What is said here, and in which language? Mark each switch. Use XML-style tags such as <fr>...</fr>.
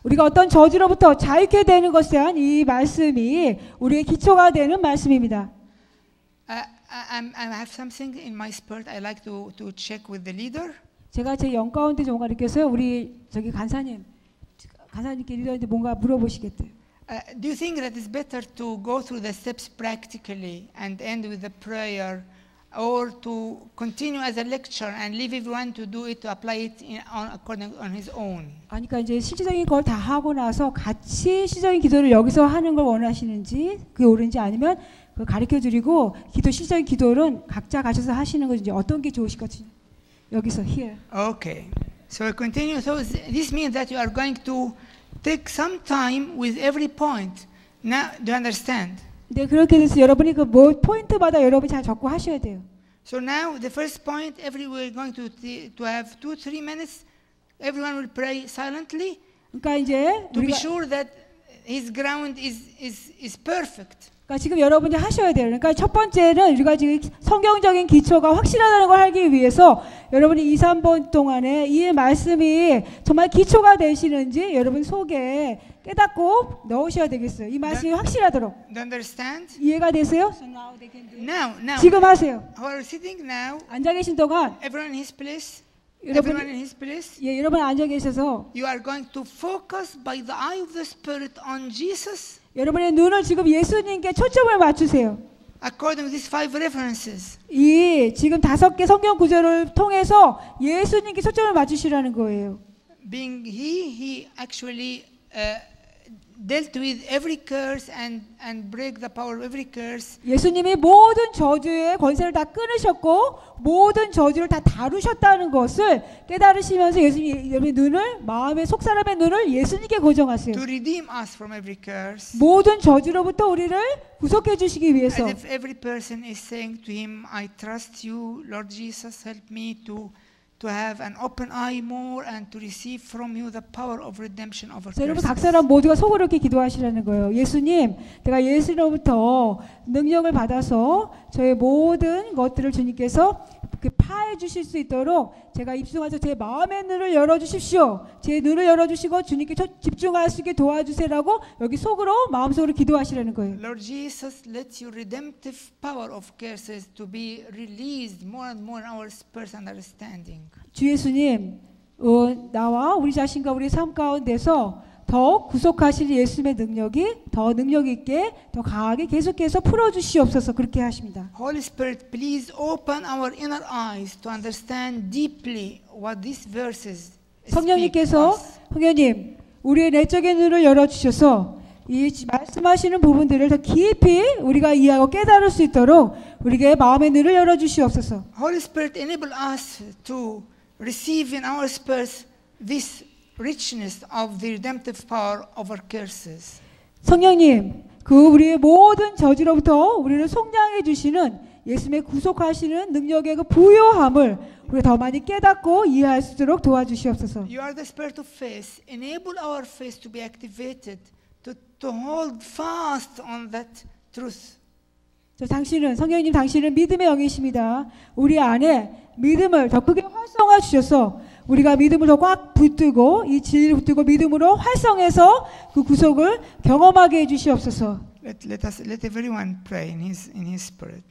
<ko>우리가 어떤 저주로부터 자유케 되는 것에 대한 이 말씀이 우리의 기초가 되는 말씀입니다.</ko> <en>I have something in my spirit. I like to check with the leader.</en> <ko>제가 제 영 가운데 뭔가 느껴서요. 우리 저기 간사님께 리더한테 �onga 물어보시겠대요.</ko> <en>Do you think that it's better to go through the steps practically and end with a prayer? Or to continue as a lecture and leave everyone to do it, to apply it according on his own.</en> <ko>아니까 이제 실질적인 걸 다 하고 나서 같이 실질적인 기도를 여기서 하는 걸 원하시는지 그게 옳은지 아니면 그 가르쳐 드리고 기도 실질적인 기도는 각자 가셔서 하시는 것인지 어떤 게 좋으실 것인지 여기서</ko> <en>here. Okay. So we continue. So this means that you are going to take some time with every point. Now, do you understand?</en> <ko>네 그렇게 해서 여러분이 그 뭐 포인트마다 여러분이 잘 적고 하셔야 돼요.</ko> <en>So now the first point, everyone is going to have 2-3 minutes. Everyone will pray silently.</en> <ko>그러니까 이제</ko> <en>to be sure that his ground is perfect.</en> <ko>그러니까 지금 여러분이 하셔야 돼요. 그러니까 첫 번째는 우리가 지금 성경적인 기초가 확실하다는 걸 하기 위해서 여러분이 2-3번 동안에 이 말씀이 정말 기초가 되시는지 여러분 속에 깨닫고 넣으셔야 되겠어요. 이 말씀이 확실하도록.</ko> <en>Understand?</en> <ko>이해가 되세요?</ko> <en>So now they can do. Now.</en> <ko>지금 하세요.</ko> <en>Who are sitting now?</en> <ko>앉아 계신 동안.</ko> <en>Everyone in his place.</en> <ko>여러분,</ko> <en>everyone in his place.</en> <ko>예, 여러분 앉아 계셔서.</ko> <en>You are going to focus by the eye of the Spirit on Jesus.</en> <ko>여러분의 눈을 지금 예수님께 초점을 맞추세요.</ko> <en>According to these five references.</en> <ko>이 지금 다섯 개 성경 구절을 통해서 예수님께 초점을 맞추시라는 거예요.</ko> <en>Being he actually dealt with every curse and break the power of every curse.</en> <ko>예수님이 모든 저주의 권세를 다 끊으셨고 모든 저주를 다 다루셨다는 것을 깨달으시면서 예수님의 눈을 마음의 속사람의 눈을 예수님께 고정하세요.</ko> <en>To redeem us from every curse.</en> <ko>모든 저주로부터 우리를 구속해 주시기 위해서.</ko> <en>As if every person is saying to him, I trust you, Lord Jesus, help me to have an open eye more and to receive from you the power of redemption over curses.</en> <ko>여러분 각 사람 모두가 속으로 이렇게 기도하시라는 거예요. 예수님, 내가 예수님으로부터 능력을 받아서 저의 모든 것들을 주님께서 파해 주실 수 있도록 제가 입술하여 제 마음의 눈을 열어 주십시오. 제 눈을 열어 주시고 주님께 집중할 수 있게 도와주세요라고 여기 속으로 마음속으로 기도하시라는 거예요.</ko> <en>Lord Jesus, let your redemptive power of curses to be released more and more in our spiritual understanding.</en> <ko>주 예수님, 나와 우리 자신과 우리 삶 가운데서 더 구속하실 예수님의 능력이 더 능력 있게 더 강하게 계속해서 풀어 주시옵소서 그렇게 하십니다.</ko> <en>Holy Spirit, please open our inner eyes to understand deeply what these verses speak to us.</en> <ko>성령님께서 성령님 우리의 내적인 눈을 열어 주셔서 이 말씀하시는 부분들을 더 깊이 우리가 이해하고 깨달을 수 있도록 우리의 마음의 눈을 열어 주시옵소서.</ko> <en>Holy Spirit, enable us to receive in our spirits this richness of the redemptive power over curses.</en> <ko>성령님, 그 우리의 모든 저주로부터 우리를 속량해 주시는 예수님의 구속하시는 능력의 그 부요함을 우리 더 많이 깨닫고 이해할 수 있도록 도와주시옵소서.</ko> <en>You are the spirit of faith. Enable our faith to be activated to hold fast on that truth.</en> <ko>저 당신은 성령님, 당신은 믿음의 영이십니다. 우리 안에 믿음을 더 크게 활성화 주셔서 우리가 믿음을 더 꽉 붙들고 이 진리를 붙들고 믿음으로 활성해서 그 구속을 경험하게 해주시옵소서.</ko> <en>Let everyone pray in his spirit.</en>